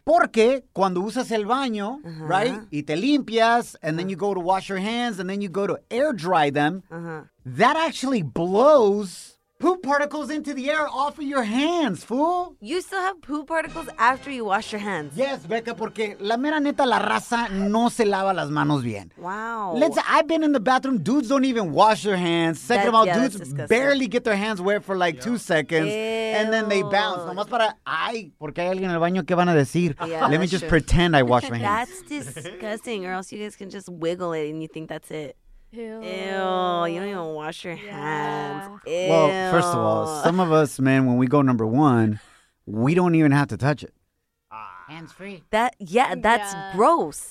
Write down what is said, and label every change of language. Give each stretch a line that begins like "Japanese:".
Spanish: Porque cuando usas el baño,
English: uh-huh. right,
Spanish: y te limpias,
English: and uh-huh. then you go to wash your hands, and then you go to air dry them, uh-huh. that actually blows poop particles into the air off of your hands, fool. You still have poop particles after you wash your hands.
Spanish: Yes, Becca, porque la mera neta, la raza no se lava las manos bien.
English: Wow. I've been in the bathroom. Dudes don't even wash their hands. Second of all, yeah, dudes barely get their hands wet for like 2 seconds. Ew. And then they bounce.
Spanish: Nomás para, ay, porque hay alguien en el baño, ¿qué van a decir?
English: Yeah, let me just pretend I wash my hands. That's disgusting, or else you guys can just wiggle it and you think that's it. Ew. Ew, you don't even wash your hands. Ew. Well, first of all, some of us, man, when we go number one, we don't even have to touch it. Hands free. That's gross.